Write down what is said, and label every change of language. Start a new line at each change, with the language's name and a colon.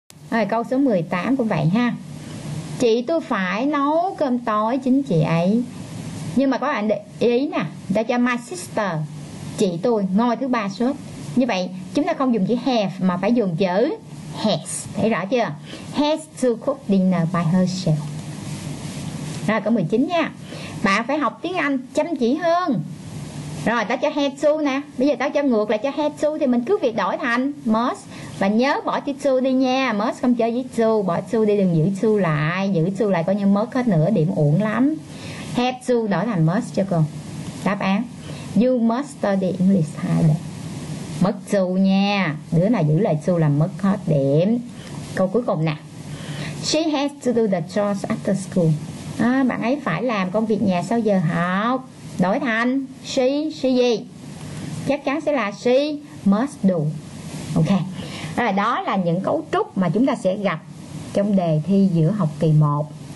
Vietnamese: Rồi câu số 18 cũng vậy ha. Chị tôi phải nấu cơm tối chính chị ấy. Nhưng mà có bạn để ý nè, để cho my sister, chị tôi ngồi thứ ba suốt. Như vậy chúng ta không dùng chữ have mà phải dùng chữ has. Thấy rõ chưa?
English: Has to cook dinner by herself.
Vietnamese: Rồi câu 19 nha. Bạn phải học tiếng Anh chăm chỉ hơn. Rồi ta cho have to nè. Bây giờ ta cho ngược lại cho have to thì mình cứ việc đổi thành must. Và nhớ bỏ chữ to đi nha. Must không chơi với to. Bỏ to đi, đừng giữ to lại. Giữ to lại coi như mất hết nửa điểm, uổng lắm. Have to đổi thành must cho cô. Đáp án:
English: you must study English harder.
Vietnamese: Mất to nha. Đứa nào giữ lại to là mất hết điểm. Câu cuối cùng nè.
English: She has to do the chores after school.
Vietnamese: Bạn ấy phải làm công việc nhà sau giờ học. Đổi thành she gì? Chắc chắn sẽ là
English: she must do.
Vietnamese: Ok. Rồi đó là những cấu trúc mà chúng ta sẽ gặp trong đề thi giữa học kỳ 1.